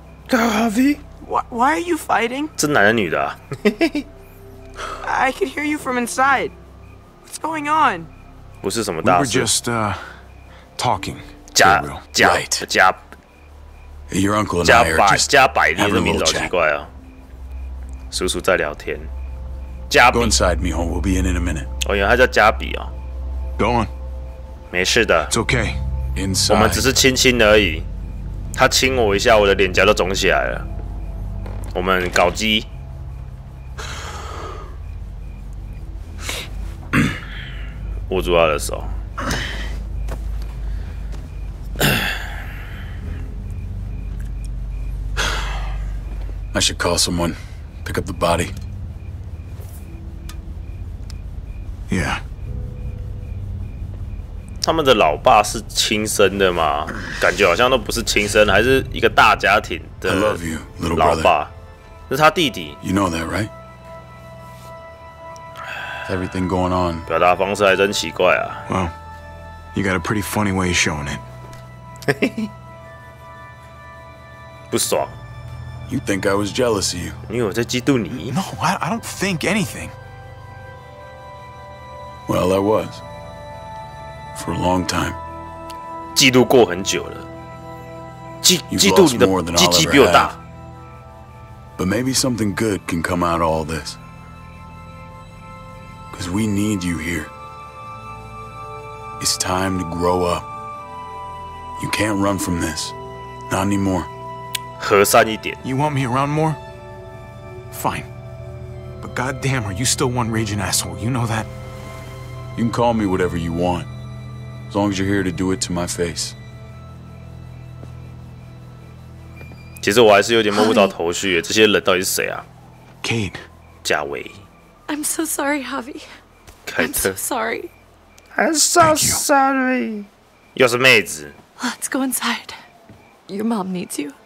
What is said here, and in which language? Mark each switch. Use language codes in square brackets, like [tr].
[en] Uncle Javi. Why are you fighting? [zh] 这男的女的、啊、 [en] I could hear you from inside. What's going on? [zh] 不是什么大事。 [en] We were just talking. [zh] 假、 [en] right. [zh] 假假。 [en] Your uncle and I are just [zh] 加百利的名字好奇怪啊！叔叔在聊天。加比 [en] ，Go inside, Mijo. We'll be in a minute. [zh] 哦，原来他叫加比啊。 [en] Go on. [zh] 没事的。 [en] It's okay. Inside. [zh] 我们只是亲亲而已。他亲我一下，我的脸颊都肿起来了。我们搞基。握住他的手。 [en] I should call someone, pick up the body. Yeah. [zh] 他们的老爸是亲生的吗？感觉好像都不是亲生，还是一个大家庭的老爸。 [en] I love you, little brother. [zh] 是他弟弟。 [en] You know that, right? Everything going on. [zh] 表达方式还真奇怪啊。 [en] Well, you got a pretty funny way of showing it. [zh] 不爽。 [en] You think I was jealous of you? [zh] 因为我在嫉妒你。 [en] No, I don't think anything. Well, I was for a long time. [zh] 嫉妒过很久了。嫉妒你的鸡鸡比我大。 [en] But maybe something good can come out of all this. Because we need you here. It's time to grow up. You can't run from this, not anymore. [zh] 和善一点。 [en] You want me around more? Fine. But goddamn, are you still one raging asshole? You know that? You can call me whatever you want, as long as you're here to do it to my face. [zh] 其实我还是有点摸不着头绪，这些人到底是谁啊？Kate，贾维。 [en] I'm so sorry, Javi. I'm so sorry. I'm so sorry. [zh] 又是妹子。 [en] Let's go inside. Your mom needs you.